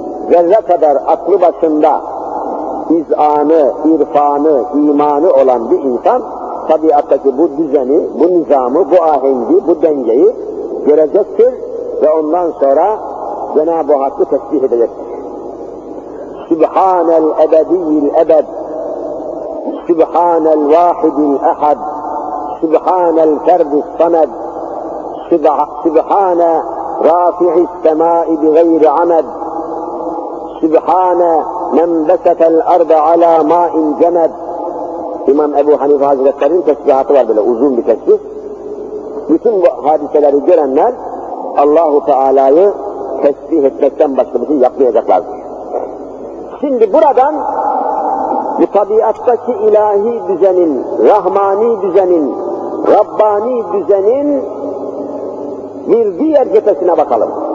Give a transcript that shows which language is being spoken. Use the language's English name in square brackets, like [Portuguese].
[Turkish] Zerre kadar aklı başında izanı, irfanı, imanı olan bir insan tabiattaki bu düzeni, bu nizamı, bu ahengi, bu dengeyi görecektir ve ondan sonra Cenab-ı Hakk'ı tesbih edecektir. [Arabic] Sübhanel ebediyyil ebed, Sübhanel vahidil ehad, Sübhanel ferdus samed, Sübhane رافع السماء بغير عمد سبحان من بسط الارض على ماء جمد. [Turkish] İmam Ebu Hanife Hazretleri'nin tesbihatı var, böyle uzun bir tesbih. Bütün bu hadiseleri görenler Allahu Teala'yı tesbih etmekten başka bir şey yapmayacaklar diyor. Şimdi buradan bu tabiattaki ilahi düzenin, rahmani düzenin, rabbani düzenin bir diğer cephesine bakalım.